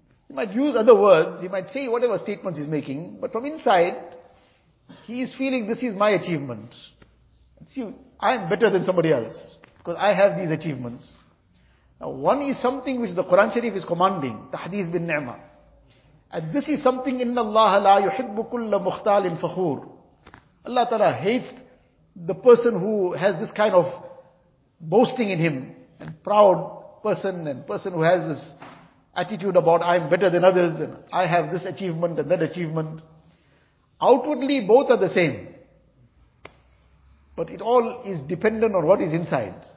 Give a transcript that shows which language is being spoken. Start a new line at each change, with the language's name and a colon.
English: He might use other words, he might say whatever statements he's making, but from inside, he is feeling this is my achievement. See, I am better than somebody else because I have these achievements. Now, one is something which the Quran Sharif is commanding, tahdeeth bin ni'mah. And this is something,
Arabic: إِنَّ اللَّهَ لَا يُحِبُّ كُلَّ مُخْتَالٍ فَخُورٍ.
English: Allah Ta'ala hates the person who has this kind of boasting in him, and proud person, and person who has this attitude about, I am better than others, and I have this achievement and that achievement. Outwardly, both are the same. But it all is dependent on what is inside.